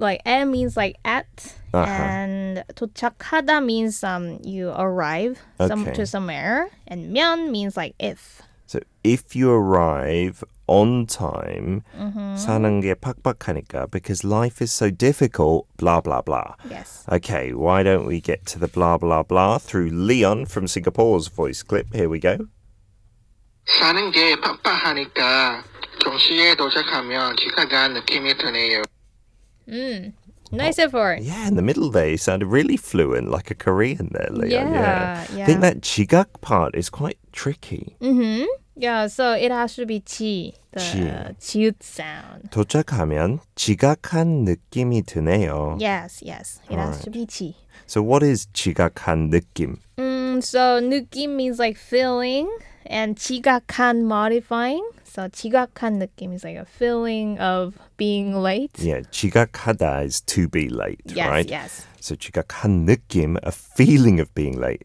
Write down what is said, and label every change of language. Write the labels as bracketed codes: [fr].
[en] Like 에 means like at, and 도착하다 means you arrive to somewhere, and 면 means like if. So if you arrive on time, [ko] 사는 게 팍팍하니까, [en] because life is so difficult, blah, blah, blah. Yes. Okay, why don't we get to the blah, blah, blah through Leon from Singapore's voice clip. Here we go. [ko] 사는 게 팍팍하니까 정시에 도착하면 지각한 느낌이 드네요. [en] Nice effort. Yeah, in the middle there, you sounded really fluent, like a Korean there, Leon. Yeah. I think that 지각 part is quite tricky. Yeah, so it has to be 지, the 지읒 sound. [ko] 도착하면 지각한 느낌이 드네요. [en] Yes, yes, it has to be 지. So what is 지각한 느낌? So 느낌 means like feeling, and 지각한 modifying. So 지각한 느낌 is like a feeling of being late. Yeah, 지각하다 is to be late, right? Yes, yes. So 지각한 느낌, a feeling of being late.